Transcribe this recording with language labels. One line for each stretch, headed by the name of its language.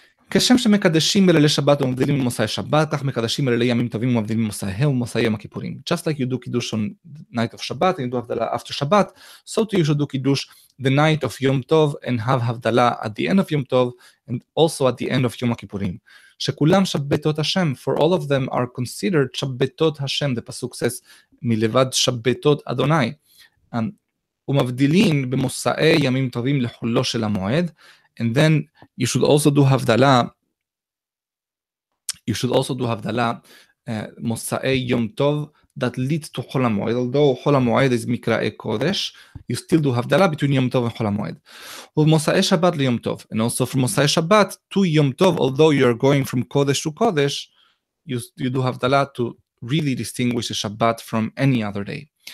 Hebrew: כשם שמקדשים בלילי שבת ומבדילים במוסאי שבת, כך מקדשים בלילי ימים טובים ומבדילים במוסאיהם ומוסאי יום הכיפורים.
English: Just like you do kiddush on the night of Shabbat, and you do havdala after Shabbat, so too you should do kiddush the night of Yom Tov, and have havdala at the end of Yom Tov, and also at the end of Yom הכיפורים.
Hebrew: שכולם שבתות השם,
English: for all of them are considered שבתות השם, the pasuk says,
Hebrew: מלבד שבתות אדוני. ומבדילים במוסאי ימים טובים לחולו של המועד,
English: and then you should also do havdala. You should also do havdala, mosa'e yom tov, that leads to chol ha'moed. Although chol ha'moed is mikra'e kodesh, you still do havdala between yom tov and chol ha'moed.
Hebrew: Mosa'e shabbat liyom tov,
English: and also from mosa'e shabbat to yom tov. Although you are going from kodesh to kodesh, you do havdala to really distinguish the shabbat from any other day.